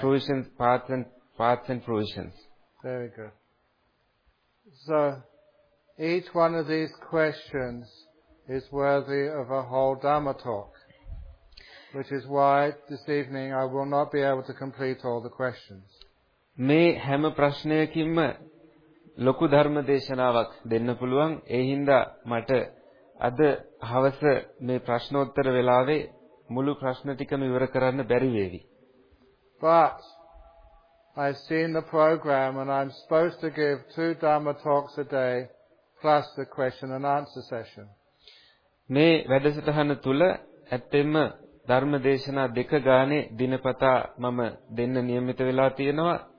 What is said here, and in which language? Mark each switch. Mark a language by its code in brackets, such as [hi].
[en] Fruitions, paths and fruitions. Very good. So, each one of these questions is worthy of a whole Dhamma talk, which is why this evening I will not be able to complete all the questions. [si] මේ හැම ප්‍රශ්නයකින්ම ලොකු ධර්ම දේශනාවක් දෙන්න පුළුවන්. ඒ හින්දා මට අද හවස මේ ප්‍රශ්නෝත්තර වෙලාවේ මුළු ප්‍රශ්න ටිකම ඉවර කරන්න බැරි වේවි. [en] But I've seen the program and I'm supposed to give 2 Dhamma talks a day plus the question and answer session. [si] මේ වැඩසටහන තුල ඇත්තෙම ධර්ම දේශනා දෙක ගානේ දිනපතා මම දෙන්න [gu] નિયમિત [si] වෙලා තියෙනවා.